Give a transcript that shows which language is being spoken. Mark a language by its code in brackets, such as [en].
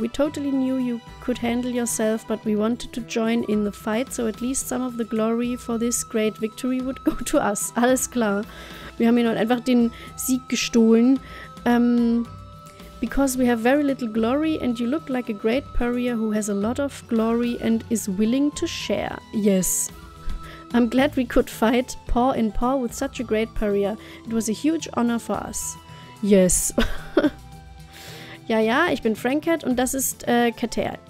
[en] We totally knew you could handle yourself, but we wanted to join in the fight, so at least some of the glory for this great victory would go to us. [de] Alles klar. Wir haben hier noch einfach den Sieg gestohlen. [en] Because we have very little glory and you look like a great Purrier who has a lot of glory and is willing to share. Yes. I'm glad we could fight paw in paw with such a great Purrier. It was a huge honor for us. Yes. [de] Ja, ja, ich bin Frankat und das ist Kater.